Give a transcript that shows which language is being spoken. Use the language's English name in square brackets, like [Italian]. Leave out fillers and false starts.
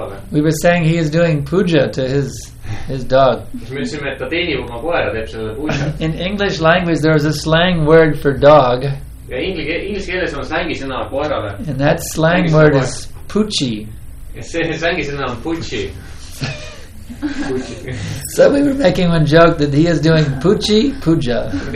[English] We were saying he is doing puja to his dog. In English language, there is a slang word for dog. [Estonian] Ja inglise keeles on slangi sõna koerale. [English] And that slang word is poochie. [Estonian] Ja see slangi sõna on poochie. [English] So we were making one joke that he is doing poochie puja.